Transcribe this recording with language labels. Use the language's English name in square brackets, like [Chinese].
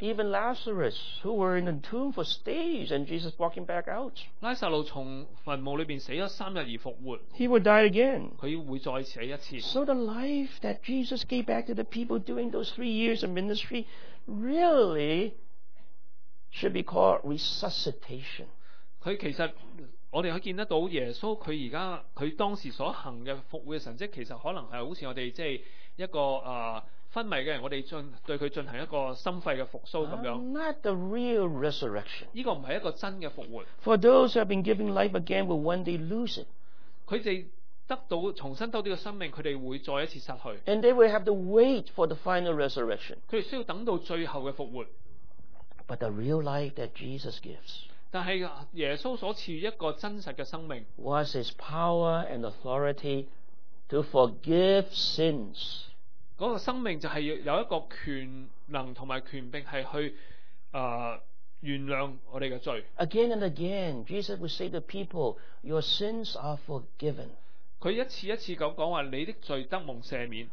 [English] Even Lazarus, who were in the tomb for days, and Jesus brought him back out. [Chinese] 拉撒路从坟墓里面死了三日而复活。 [English] He would die again. [Chinese] 他会再死一次。 [English] So the life that Jesus gave back to the people during those 3 years of ministry really should be called resuscitation. [Chinese] 他其实 我们可以看到耶稣他当时所行的复活的神迹，其实可能是好像我们一个昏迷的人，我们对他进行一个心肺的复苏这样。 [English] Not the real resurrection. [Chinese] 这个不是一个真的复活。 [English] For those who have been giving life again will one day lose it. [Chinese] 他们重新得到这个生命，他们会再一次失去。 [English] And they will have to wait for the final resurrection. [Chinese] 他们需要等到最后的复活。 [English] But the real life that Jesus gives, [Chinese] 但是耶稣所赐一个真实的生命, [English] was his power and authority to forgive sins. [Chinese] 那个生命就是有一个权能和权柄是去原谅我们的罪。 [English] Again and again, Jesus would say to people, your sins are forgiven. [Chinese] 他一次一次地说你的罪得蒙赦免。